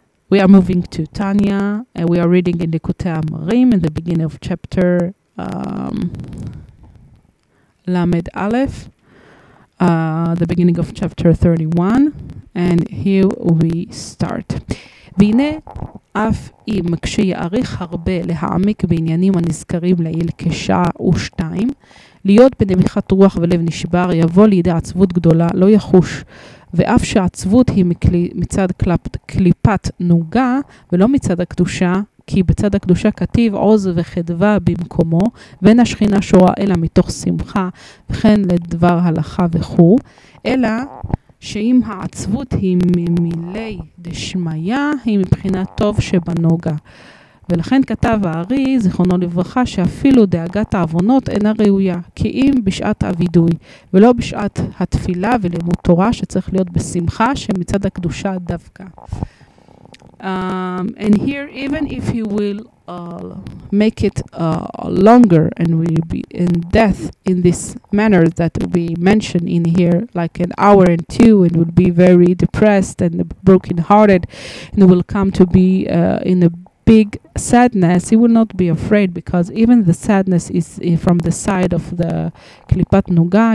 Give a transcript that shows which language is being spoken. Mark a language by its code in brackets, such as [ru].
[en] We are moving to Tania, and we are reading in the Likutei Amarim in the beginning of chapter Lamed Aleph, the beginning of chapter 31, and here we start. [he] והנה אף אם כשיעריך הרבה להעמיק בעניינים הנזכרים לעיל כשעה ושתיים, להיות בנמיכת רוח ולב נשבר, יבוא לידי עצבות גדולה, לא יחוש. ואף שהעצבות היא מצד קליפת נוגה ולא מצד הקדושה, כי בצד הקדושה כתיב עוז וחדווה במקומו, ואין השכינה שורה אלא מתוך שמחה, וכן לדבר הלכה וכו, אלא שאם העצבות היא ממילי דשמיה, היא מבחינה טוב שבנוגה. ולכן כתב הארי, זיכרונו לברכה, שאפילו דאגת האבונות אינה ראויה, כי אם בשעת הווידוי, ולא בשעת התפילה ולימוד תורה, שצריך להיות בשמחה שמצד הקדושה דווקא. [en] And here, even if you will make it longer and we will be in death in this manner that we mentioned in here, like an hour and two, and will be very depressed and brokenhearted, and will come to be in a big sadness, he will not be afraid, because even the sadness is from the side of the klipat nuga.